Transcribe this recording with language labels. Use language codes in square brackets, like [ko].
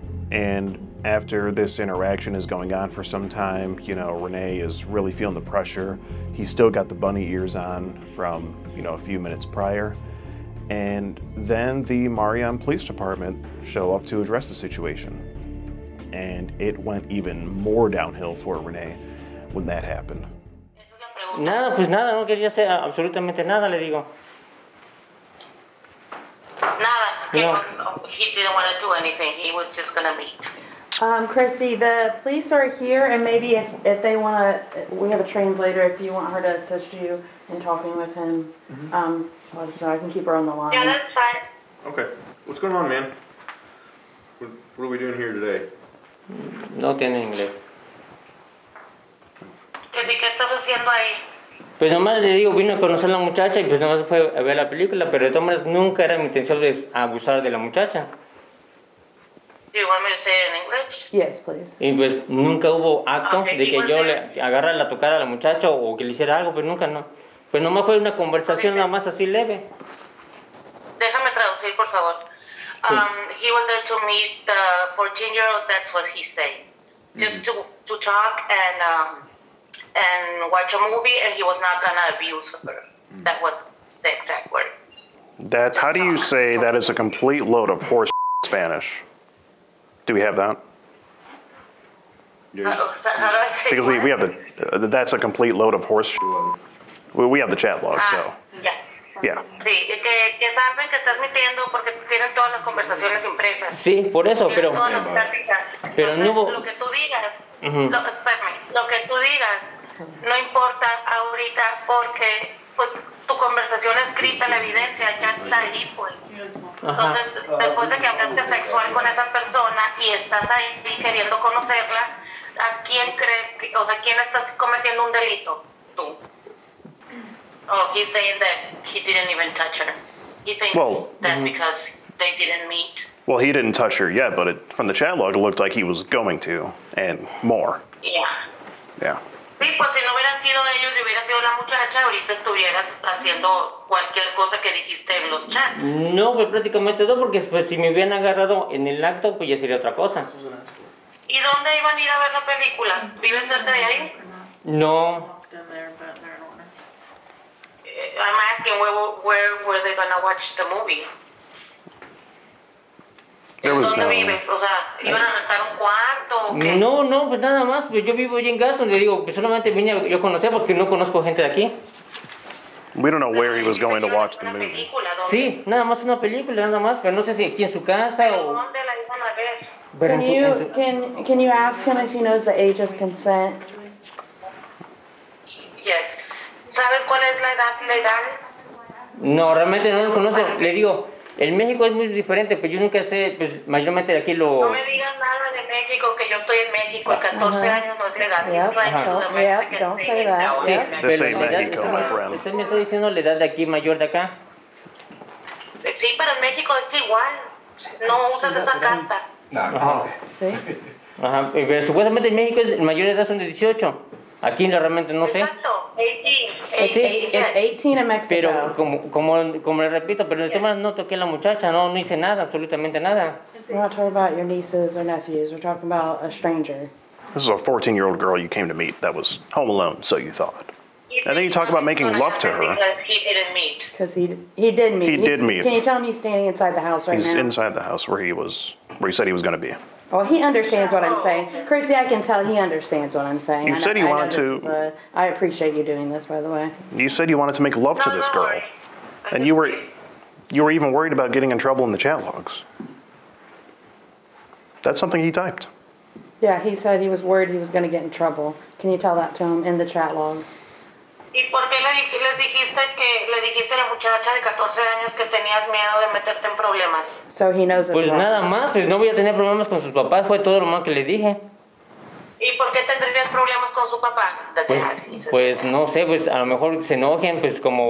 [en] And after this interaction is going on for some time, you know, Rene is really feeling the pressure. He's still got the bunny ears on from, you know, a few minutes prior. And then the Marion Police Department show up to address the situation. And it went even more downhill for Rene when that happened. [es] Nada, pues nada, no quería hacer absolutamente nada, le digo. Nada. No. [en] He didn't want to do anything. He was just going to meet. Christy, the police are here, and maybe if they want to, we have a translator, if you want her to assist you in talking with him, let us know. I can keep her on the line. Yeah, that's fine. Okay. What's going on, man? What are we doing here today? [es] No tiene inglés. ¿Qué sí, qué estás haciendo ahí? Pues nomás le digo, vine a conocer a la muchacha y pues nomás fue a ver la película, pero de todas maneras nunca era mi intención de abusar de la muchacha. [en] You want me to say it in English? Yes, please. [es] Y pues nunca hubo acto de que yo le agarra la tocara a la muchacha o que le hiciera algo, pues nunca, no. Pues nomás fue una conversación nada más así leve. Déjame traducir, por favor. Sí. [en] He was there to meet the 14-year-old, that's what he said. Just to talk and watch a movie, and he was not gonna abuse her. That was the exact word. That's, how do you say that is a complete load of horse Spanish? Do we have that? How do I say because we have the that's a complete load of horse shit. We have the chat log, so. Yeah. [es] Sí, que saben que estás mintiendo porque tienen todas las conversaciones impresas. Sí, por eso, pero. Pero no hubo. Lo que tú digas. Espérame. Lo que tú digas no importa ahorita porque, pues, tu conversación escrita, la evidencia, ya está ahí, pues. Entonces, después de que hablaste sexual con esa persona y estás ahí queriendo conocerla, ¿a quién crees que, o sea, quién estás cometiendo un delito? Tú. [en] Oh, he's saying that he didn't even touch her. He thinks because they didn't meet. Well, he didn't touch her yet, but from the chat log, it looked like he was going to, and more. Yeah. Yeah. [es] Sí, pues si no hubieran sido ellos, si hubiera sido la muchacha, ahorita estuvieras haciendo cualquier cosa que dijiste en los chats. No, pues prácticamente no, porque pues, si me hubieran agarrado en el acto, pues ya sería otra cosa. ¿Y dónde iban a ir a ver la película? ¿Vives cerca de ahí? No. [en] I'm asking where were they gonna watch the movie? There was [es] no. ¿Dónde vives? O sea, ¿iban a rentar un cuarto o qué? No, no, pues nada más, pues yo vivo allí en Gaston, le digo, pues solamente vine yo conocer porque no conozco gente de aquí. [en] We don't know where he was going to watch the movie. [es] Sí, nada más una película, nada más, pero no sé si aquí en su casa o. ¿Dónde la iban a ver? [en] Can you ask him if he knows the age of consent? Yes. [es] ¿Sabes cuál es la edad legal? No, realmente no lo conozco. Le digo, en México es muy diferente, pues yo nunca sé, pues mayormente de aquí lo... No me digas nada de México, que yo estoy en México, 14 años no es legal. Sí, [en] this ain't Mexico, my friend. [es] Usted me está diciendo la edad de aquí mayor de acá. Sí, pero en México es igual. No usas esa carta. No. Ajá. Sí. Ajá, pero supuestamente en México es, la mayor edad son de 18. Aquí realmente no sé. Exacto, 18. [en] It's 18 in Mexico. [es] Pero como le repito, pero de todas maneras no toqué a la muchacha, no hice nada, absolutamente nada. [en] We're not talking about your nieces or nephews, we're talking about a stranger. This is a 14-year-old girl you came to meet that was home alone, so you thought. And then you talk about making love to her. Because he didn't meet. Because he did meet. He did meet. Can you tell him he's standing inside the house right now? He's inside the house where he said he was going to be. Well, he understands what I'm saying. Chrissy, I can tell he understands what I'm saying. You said you wanted to... I appreciate you doing this, by the way. You said you wanted to make love to this girl. And you were even worried about getting in trouble in the chat logs. That's something he typed. Yeah, he said he was worried he was going to get in trouble. Can you tell that to him in the chat logs? [es] ¿Y por qué le dijiste a la muchacha de 14 años que tenías miedo de meterte en problemas? [en] So he knows [es] pues [en] right. [es] Nada más, pues no voy a tener problemas con sus papás, fue todo lo malo que le dije. ¿Y por qué tendrías problemas con su papá? Pues no sé, pues a lo mejor se enojen, pues como...